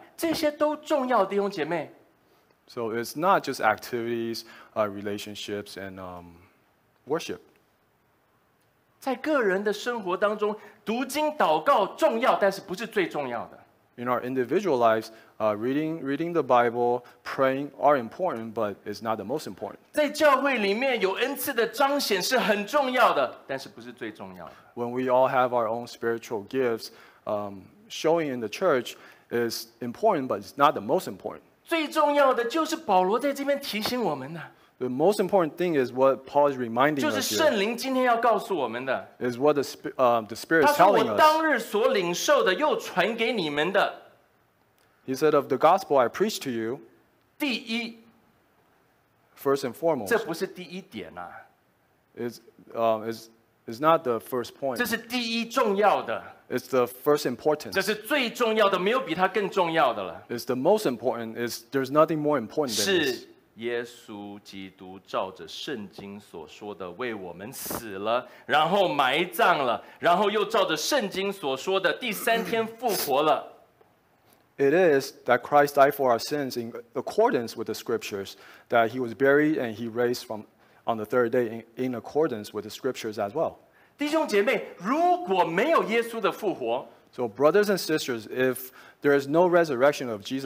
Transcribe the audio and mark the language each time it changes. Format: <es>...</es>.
<zh>不是只是爱的表现，不是只是友谊，不是只是帮助关怀，不是只是活动敬拜，这些都重要，弟兄姐妹。</zh> <en>So it's not just activities, relationships, and worship.</en> <zh>在个人的生活当中，读经祷告重要，但是不是最重要的。</zh> <en>In our individual lives, reading the Bible, praying are important, but it's not the most important.</en> <zh>在教会里面有恩赐的彰显是很重要的，但是不是最重要的。</zh> <en>When we all have our own spiritual gifts, showing in the church is important, but it's not the most important.</en> <zh>最重要的就是保罗在这边提醒我们的。</zh> <en>The most important thing is what Paul is reminding us here.</en> <zh>就是圣灵今天要告诉我们的。</zh> <en>Is what the Spirit is telling us.</en> <zh>他说我当日所领受的又传给你们的。</zh> <en>He said of the gospel I preached to you.</en> <zh>第一。</zh> <en>First and foremost.</en> <zh>这不是第一点啊。</zh> <en>It's not the first point.</en> <zh>这是第一重要的。</zh> <en>It's the first importance.</en> <zh>这是最重要的，没有比它更重要的了。</zh> <en>It's the most important. There's nothing more important than this.</en> <zh>耶稣基督照着圣经所说的为我们死了，然后埋葬了，然后又照着圣经所说的第三天复活了。</zh> <en>It is that Christ died for our sins in accordance with the scriptures, that he was buried and he raised from on the third day in accordance with the scriptures as well.</en> <zh>弟兄姐妹，如果没有耶稣的复活，</zh> <en>So brothers and sisters, if there is no resurrection of Jesus Christ,</en>